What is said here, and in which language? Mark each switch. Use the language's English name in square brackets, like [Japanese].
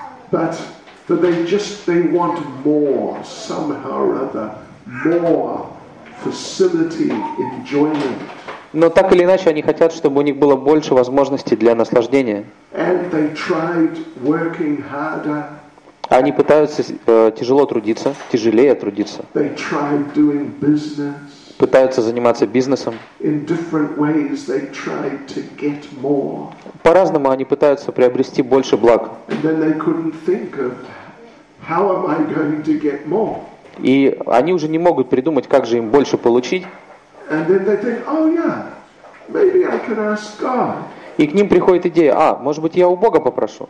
[Russian] Но так или иначе, они хотят, чтобы у них было больше возможностей для наслаждения. Они пытаются тяжелее трудиться. [English] They tried doing business. [Russian] Пытаются заниматься бизнесом. [English] In different ways they tried to get more. [Russian] По-разному они пытаются приобрести больше благ. [English] And then they couldn't think of how am I going to get more. [Russian] И они уже не могут придумать, как же им больше получить. [English] And then they think, oh yeah, maybe I can ask God. [Russian] И к ним приходит идея, может быть, я у Бога попрошу.